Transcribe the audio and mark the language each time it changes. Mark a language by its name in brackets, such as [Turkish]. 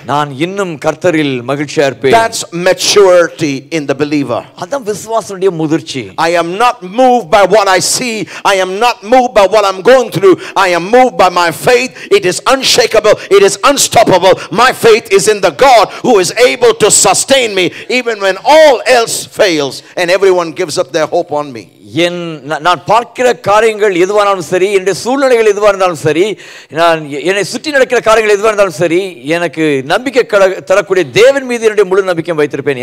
[Tamil] நான் இன்னும் கர்த்தரில் மகிழ்ச்சி அற்பேன். [English] That's maturity in the believer. [Tamil] அதான் விசுவாசியுடைய முதிர்ச்சி. [English] I am not moved by what I see. I am not moved by what I'm going through. I am moved by my faith. It is unshakable. It is unstoppable. My faith is in the God who is able to sustain me even when all else fails and everyone gives up their hope on me. [Tamil] நான் பார்க்கிற காரியங்கள் எதுவானாலும் சரி, என்னுடைய சூழ்நிலைகள் எதுவாக இருந்தாலும் சரி, நான் என்னை சுற்றி நடக்கிற காரியங்கள் எதுவாக இருந்தாலும் சரி, எனக்கு நம்பிக்கை தரக்கூடிய தேவன் மீது என்னுடைய முழு நம்பிக்கையும் வைத்திருப்பேன்.